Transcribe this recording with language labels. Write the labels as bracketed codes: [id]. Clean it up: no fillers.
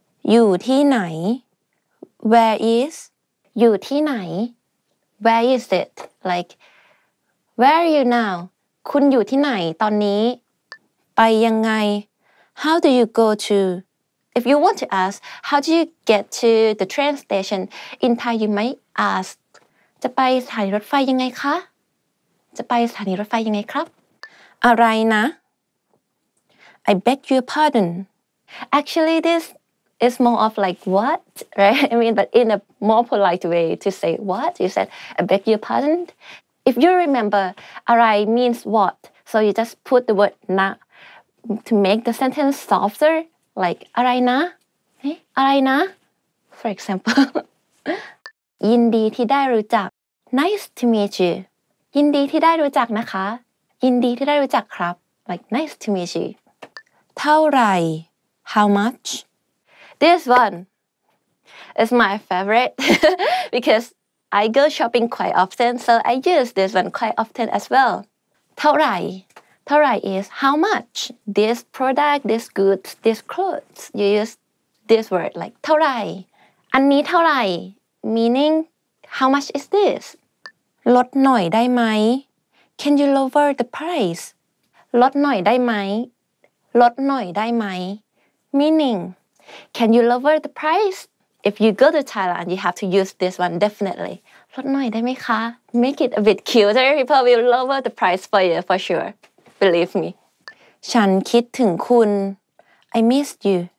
[th] อยู่ที่ไหน? [en] Where is? [th] อยู่ที่ไหน? [en] Where is it? Like, where are you now? [th] คุณอยู่ที่ไหนตอนนี้? ไปยังไง? [en] How do you go to? If you want to ask, how do you get to the train station? In Thai, you might ask, [th] จะไปสถานีรถไฟยังไงคะ? จะไปสถานีรถไฟยังไงครับ? อะไรนะ? [en] I beg your pardon. Actually, this is more of like, what? Right? I mean, but in a more polite way to say, what? You said, I beg your pardon. If you remember, [th] อะไร [en] means what? So you just put the word na to make the sentence softer. Like, [th] อะไรนะ?อะไรนะ? [en] For example. [th] ยินดีที่ได้รู้จัก. [en] Nice to meet you. [th] ยินดีที่ได้รู้จักนะคะ. ยินดีที่ได้รู้จักครับ [en] Like nice to meet you. [th] เท่าไหร่ [en] How much? This one is my favorite because I go shopping quite often, so I use this one quite often as well. [th] เท่าไหร่เท่าไหร่ [en] is how much this product, this goods, this clothes. You use this word like [th] เท่าไหร่อันนี้เท่าไหร่ [en] meaning how much is this [th] ลดหน่อยได้ไหม [en] Can you lower the price [th] ลดหน่อยได้ไหมลดหน่อยได้ไหม [en] meaning can you lower the price if you go to Thailand you have to use this one definitely [th] ลดหน่อยได้ไหมคะ [en] make it a bit cuter people will lower the price for you for sureBelieve me. [th] ฉันคิดถึงคุณ [en] I miss you.